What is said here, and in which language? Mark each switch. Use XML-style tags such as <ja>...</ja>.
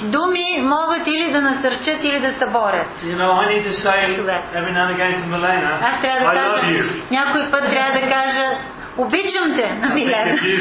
<bg>Думи могат или да насърчат, или да съборят.</bg> <en>You know, I need to say every now and again to Milena,</en> <bg>аз трябва да кажа, някой път трябва да кажа, обичам те, на Милена.</bg>